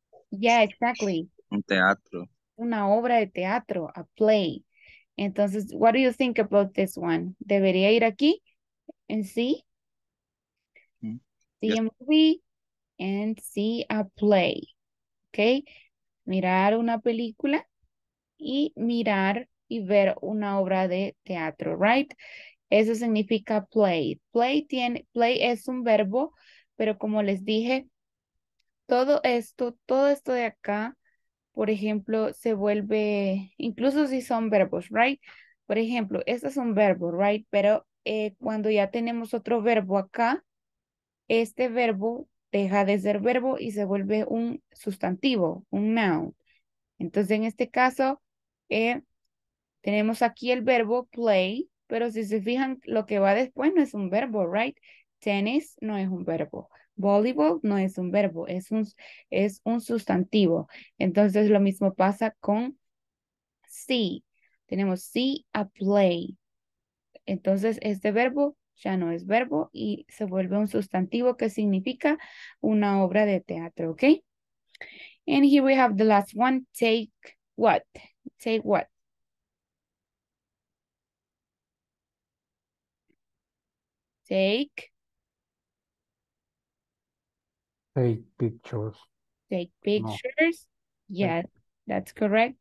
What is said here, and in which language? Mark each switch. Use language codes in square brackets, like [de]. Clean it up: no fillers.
[en] Yeah, exactly. [es] Un teatro. Una obra de teatro. [en] A play. Entonces, what do you think about this one? [es] ¿Debería ir aquí? [en] And see? See yep. A movie and see a play. Okay. [es] Mirar una película y mirar y ver una obra de teatro, right? Eso significa play. Play tiene, play es un verbo, pero como les dije, todo esto de acá, por ejemplo, se vuelve, incluso si son verbos, right? Por ejemplo, este es un verbo, right? Pero cuando ya tenemos otro verbo acá, este verbo deja de ser verbo y se vuelve un sustantivo, un noun. Entonces, en este caso, tenemos aquí el verbo play, pero si se fijan, lo que va después no es un verbo, right? Tennis no es un verbo. Volleyball no es un verbo, es un sustantivo. Entonces, lo mismo pasa con see. Tenemos see a play. Entonces, este verbo ya no es verbo y se vuelve un sustantivo que significa una obra de teatro, ¿ok? [en] And here we have the last one, take what? Take what? Take. Take pictures. Take pictures. No. Yes, yeah, that's correct.